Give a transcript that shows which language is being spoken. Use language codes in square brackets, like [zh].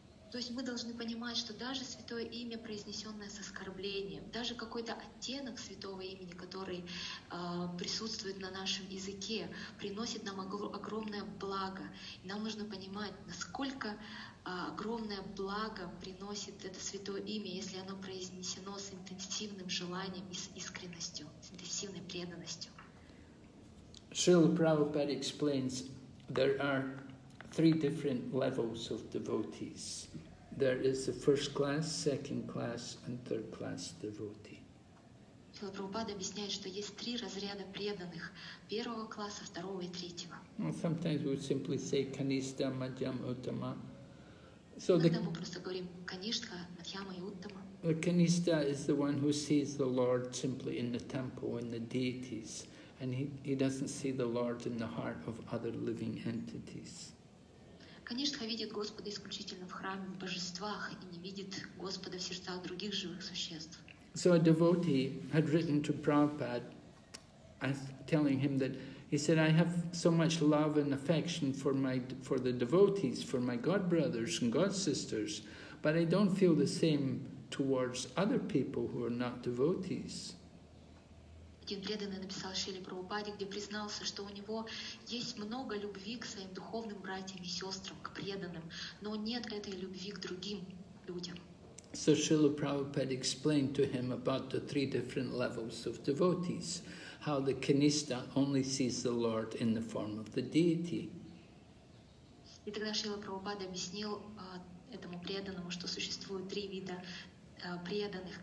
[ru] То есть мы должны понимать, что даже святое имя, произнесенное с оскорблением, даже какой-то оттенок святого имени, который присутствует на нашем языке, приносит нам огромное благо. И нам нужно понимать, насколько огромное благо приносит это святое имя, если оно произнесено с интенсивным желанием и с искренностью, с интенсивной преданностью. [en] Шрила Прабхупада explains, there are three different levels of devotees. There is the first class, second class, and third class devotee. [ru] Шрила Прабхупада объясняет, что есть три разряда преданных: первого класса, второго и третьего. [en] Well, sometimes we simply say kanista, madhyam, uttama. [ru] So иногда мы просто говорим канишка, мадхьяма и уттама. [en] The kanista is the one who sees the Lord simply in the temple, in the deities, and he doesn't see the Lord in the heart of other living entities. [ru] Канишха видит Господа исключительно в храме, в божествах, и не видит Господа в сердцах других живых существ. [en] So a devotee had written to Prabhupada, telling him that he said, "I have so much love and affection for the devotees, for my God brothers and God sisters, but I don't feel the same towards other people who are not devotees." [ru] Один преданный написал Шриле Прабхупаде, где признался, что у него есть много любви к своим духовным братьям и сестрам, к преданным, но нет этой любви к другим людям. [en] So Srila Prabhupada explained to him about the three different levels of devotees, how the kanista only sees the Lord in the form of the deity. [ru] И тогда Шрила Прабхупада объяснил этому преданному, что существует три вида преданных.